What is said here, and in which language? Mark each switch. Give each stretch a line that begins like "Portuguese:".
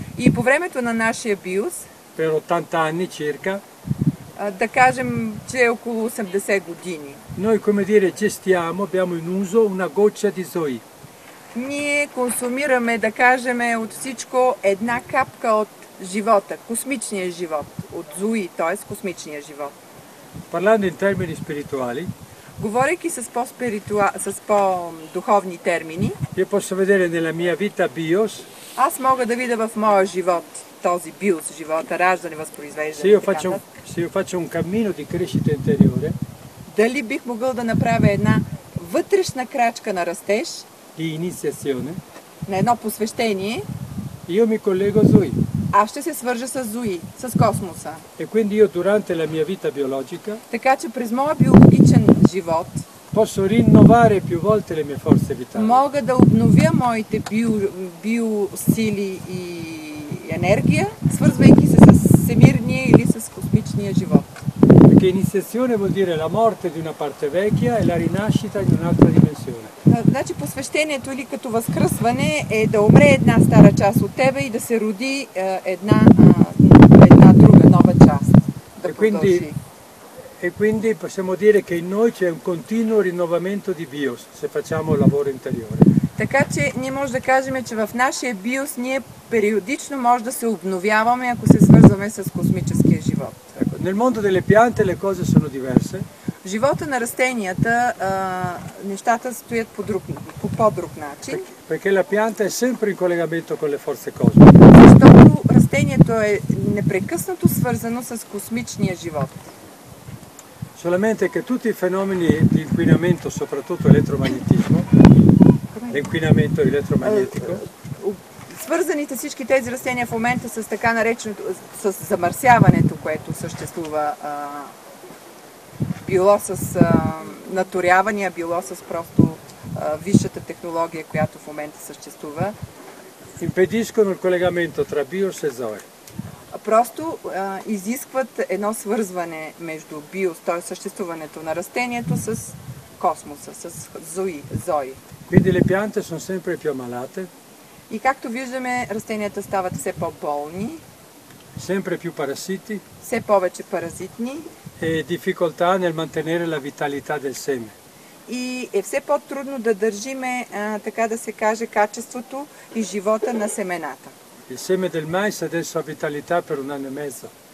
Bulgarian: И по времето на нашия bios.
Italian: Per 80 anni circa.
Bulgarian: Да кажем, че е около 80 години.
Italian: Noi, come dire, gestiamo, abbiamo in uso una goccia di Zoe.
Bulgarian: Ние консумираме, да кажем, от всичко една капка от живота, космичния живот, от Зои, т.е. космичния живот.
Italian: Parlando in termini spirituali,
Bulgarian: говорейки с по-духовни термини,
Italian: io posso vedere nella mia vita bios,
Bulgarian: аз мога да видя в моя живот този bios, живота, раждане, възпроизвеждане.
Italian: Se io faccio un cammino di crescita interiore,
Bulgarian: дали бих могъл да направя една вътрешна крачка на растеж,
Italian: di iniziazione,
Bulgarian: на едно посвещение,
Italian: io mi collego a Zoe.
Bulgarian: Аз ще се свържа с Зои, с космоса.
Italian: E quindi io durante la mia vita biologica,
Bulgarian: така че през моя биологичен живот,
Italian: posso rinnovare più volte le mie forze vitali.
Bulgarian: Мога да обновя моите биосили и енергия, свързвайки се с всемирния или с космичния живот.
Italian: Perché iniziazione vuol dire la morte di una parte vecchia e la rinascita in un'altra dimensione.
Bulgarian: Значи посвещението или като възкръсване е да умре една стара част от тебе и да се роди една друга нова част.
Italian: E quindi E quindi possiamo dire che in noi c'è un continuo rinnovamento di bios, se facciamo il lavoro interiore.
Bulgarian: Така че ние може да кажем, че в нашия биос ние периодично може да се обновяваме, ако се свързваме с космическия живот.
Italian: Nel mondo delle piante le cose sono diverse.
Bulgarian: В живота на растенията нещата стоят по-друг начин.
Italian: Perché la pianta è sempre in collegamento con le forze cosmiche.
Bulgarian: Защото растението е непрекъснато свързано с космичния живот.
Italian: Solamente che tutti i fenomeni di inquinamento, soprattutto elettromagnetismo, l'inquinamento elettromagnetico,
Bulgarian: свързаните всички тези растения в момента с така нареченото с замърсяването, което съществува било с наторявания, било с просто висшата технология, която в момента съществува.
Italian: Impediscono il collegamento tra bios e zoe.
Bulgarian: Просто изискват едно свързване между биос, т.е. съществуването на растението с космоса, с зои.
Italian: Quindi le piante sono sempre più ammalate.
Bulgarian: И както виждаме, растенията стават все по-болни.
Italian: Sempre più parassiti.
Bulgarian: Все повече паразитни.
Italian: E difficoltà nel mantenere la vitalità del seme.
Bulgarian: И е все по-трудно да държиме, така да се каже, качеството и живота на семената.
Italian: Il seme del mais adesso ha vitalità per un anno e mezzo.